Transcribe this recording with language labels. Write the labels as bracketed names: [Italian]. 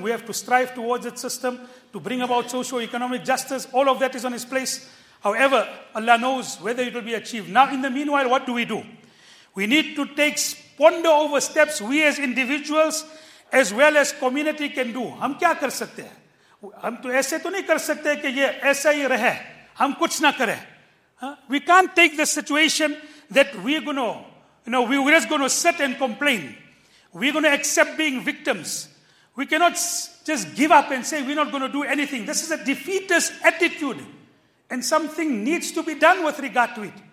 [English] We have to strive towards that system to bring about socio-economic justice. All of that is on its place. However, Allah knows whether it will be achieved. Now, in the meanwhile, what do? We need to ponder over steps we as individuals, as well as community, can do. [Hindi] हम क्या कर सकते हैं? हम तो ऐसे तो नहीं कर सकते कि ये ऐसा ही रहे. हम कुछ ना करें. [English] We can't take the situation that we're just going to sit and complain. We're going to accept being victims. We cannot just give up and say we're not going to do anything. This is a defeatist attitude. And something needs to be done with regard to it.